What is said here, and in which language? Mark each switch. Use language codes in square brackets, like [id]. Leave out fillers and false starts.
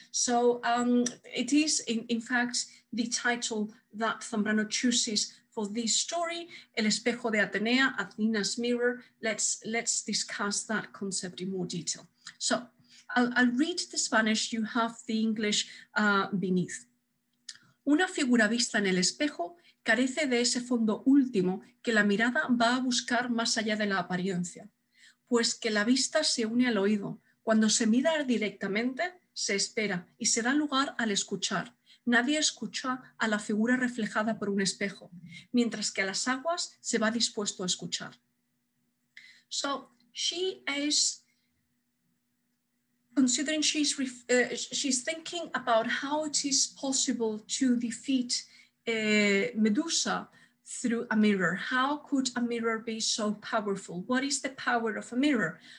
[en] So it is, in fact, the title that Zambrano chooses for this story, El Espejo de Atenea, Athena's Mirror. Let's discuss that concept in more detail. So I'll read the Spanish, you have the English beneath. [es] Una figura vista en el espejo carece de ese fondo último que la mirada va a buscar más allá de la apariencia, pues que la vista se une al oído. Cuando se mira directamente, se espera y se da lugar al escuchar. Nadie escucha a la figura reflejada por un espejo, mientras que a las aguas se va dispuesto a escuchar. [en] So, she is considering, she's thinking about how it is possible to defeat Medusa through a mirror. How could a mirror be so powerful? What is the power of a mirror?